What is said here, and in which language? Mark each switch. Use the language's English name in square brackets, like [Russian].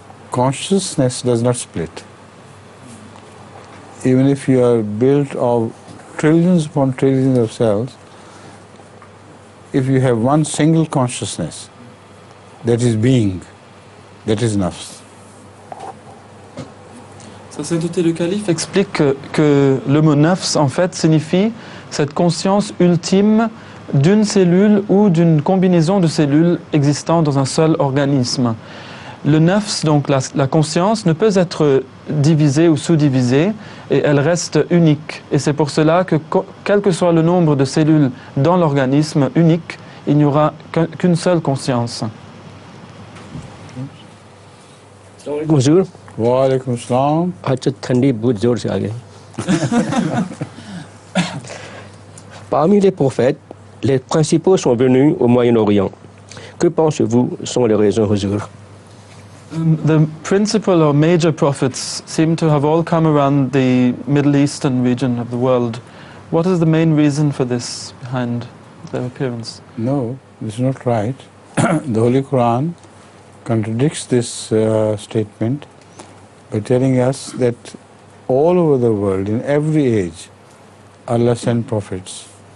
[English] Consciousness does not split. Even if you are built of trillions upon trillions of cells, if you have one single consciousness, that is being, that is nafs. [French] La sainteté du calife explique que le mot nafs en fait signifie cette conscience ultime d'une cellule ou d'une combinaison de cellules existant dans un seul organisme. Le nafs, donc la conscience, ne peut être divisée ou sous-divisée, et elle reste unique. Et c'est pour cela que, quel que soit le nombre de cellules dans l'organisme unique, il n'y aura qu'une seule conscience. Bonjour. [Arabic] Wa alaikum salam. [Hindi] Acha thandi bahut zor se aa gayi. [French] Parmi les prophètes, les principaux sont venus au Moyen-Orient. Que pensez-vous sont les raisons, Huzur? [English] The principal or major prophets seem to have all come around the Middle Eastern region of the world. What is the main reason for this behind their appearance? No, this is not right. The Holy Quran contradicts this statement by telling us that all over the world, in every age, Allah sent prophets.